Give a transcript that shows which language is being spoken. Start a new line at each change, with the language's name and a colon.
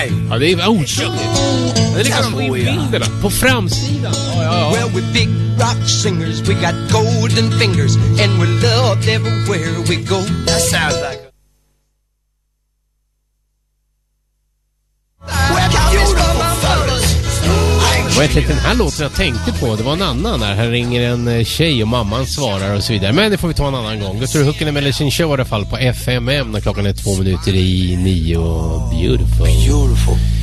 Swedish: Ja, det är otroligt. Det är liksom bilderna på framsidan.
English: Well, we're big rock singers, we got golden fingers, and we loved everywhere we go. That sounds like
Swedish: Jag vet inte, den här låten jag tänkte på, det var en annan där. Här ringer en tjej och mamman svarar och så vidare. Men det får vi ta en annan gång. Då tror du Hucken med sin show i alla fall på FMM när klockan är 8:02.
English: Beautiful. Beautiful.